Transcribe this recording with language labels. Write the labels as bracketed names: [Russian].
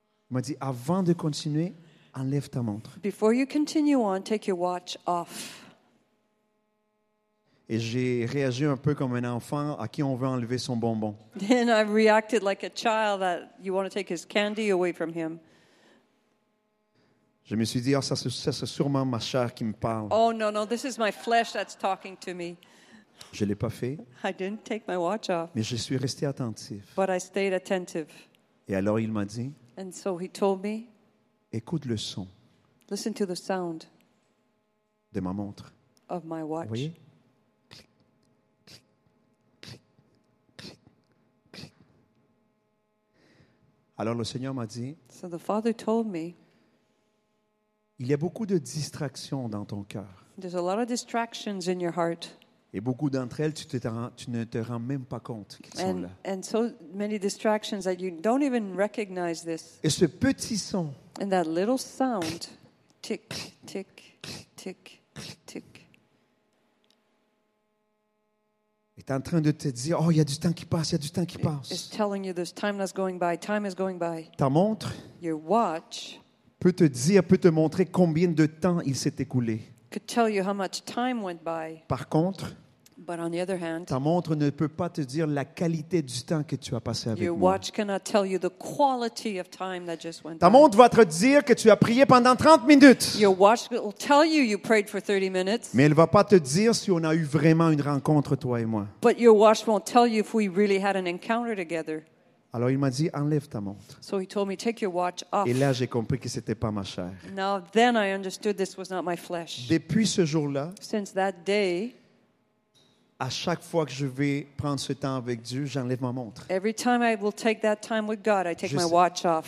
[French] Il m'a dit, avant de continuer, enlève ta montre. [English] Before you continue on, take your watch off. [French] Et j'ai réagi un peu comme un enfant à qui on veut enlever son bonbon. [English] Then I reacted like a child that you want to take his candy away from him. [French] Je me suis dit, oh, ça c'est sûrement ma chair qui me parle. [English] Oh, no, no, this is my flesh that's talking to me. [French] Je ne l'ai pas fait. [English] I didn't take my watch off. [French] Mais je suis resté attentif. [English] But I stayed attentive. [French] Et alors il m'a dit, [English] and so he told me, [French] écoute le son. [English] Listen to the sound. [French] De ma montre. [English] of my watch. [French] Vous voyez? Alors le Seigneur m'a dit, [English] so the Father told me, [French] il y a beaucoup de distractions dans ton cœur. [English] There's a lot of distractions in your heart. [French] Et beaucoup d'entre elles, tu ne te rends même pas compte qu'elles sont là. [English] And so many distractions that you don't even recognize this. [French] Et ce petit son. [English] And that little sound, tick, tick, tick, tick. [French] Est en train de te dire, oh, il y a du temps qui passe, il y a du temps qui passe. [English] It's telling you there's time that's going by, time is going by. [French] Ta montre. [English] Your watch. [French] Peut te dire, peut te montrer combien de temps il s'est écoulé. [English] Could tell you how much time went by. [French] Par contre, [English] but on the other hand, [French] ta montre ne peut pas te dire la qualité du temps que tu as passé avec moi. [English] Your watch cannot tell you the quality of time that just went [French] by. Ta montre va te dire que tu as prié pendant 30 minutes. [English] Your watch will tell you you prayed for 30 minutes. [French] Mais elle va pas te dire si on a eu vraiment une rencontre toi et moi. [English] But your watch won't tell you if we really had an encounter together. [French] Alors il m'a dit, enlève ta montre. [English] So he told me, take your watch off. [French] Et là, j'ai compris que ce n'était pas ma chair. [English] Now, then I understood this was not my flesh. [French] Depuis ce jour-là, [English] since that day, [French] à chaque fois que je vais prendre ce temps avec Dieu, j'enlève ma montre. [English] Every time I will take that time with God, I take my watch off.